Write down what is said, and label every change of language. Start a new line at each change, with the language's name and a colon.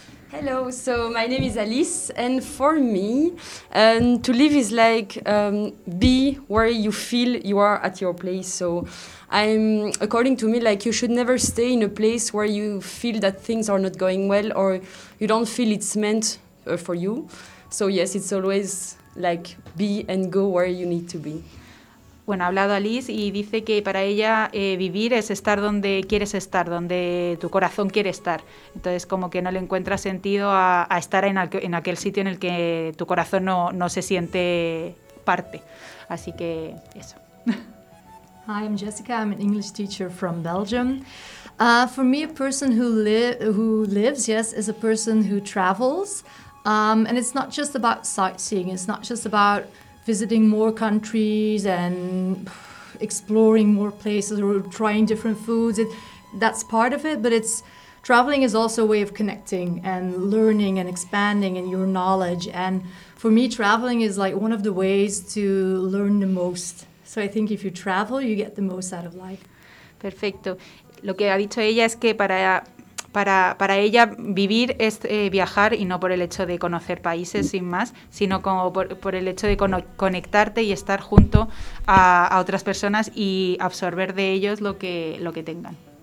English: Hello, so my name is Alice, and for me, to live is like be where you feel you are at your place. So I'm, according to me, like you should never stay in a place where you feel that things are not going well or you don't feel it's meant for you. So yes, it's always like be and go where you need to be.
Spanish: Bueno, ha hablado Alice y dice que para ella vivir es estar donde quieres estar, donde tu corazón quiere estar. Entonces, como que no le encuentra sentido a estar en aquel sitio en el que tu corazón no se siente parte. Así que eso.
English: Hi, I'm Jessica. I'm an English teacher from Belgium. For me, a person who lives, yes, is a person who travels. And it's not just about sightseeing. It's not just about visiting more countries and exploring more places or trying different foods. That's part of it, but it's traveling is also a way of connecting and learning and expanding in your knowledge. And for me, traveling is like one of the ways to learn the most. So I think if you travel, you get the most out of life.
Spanish: Perfecto. Lo que ha dicho ella es que para ella vivir es viajar y no por el hecho de conocer países sin más, sino como por el hecho de conectarte y estar junto a otras personas y absorber de ellos lo que tengan.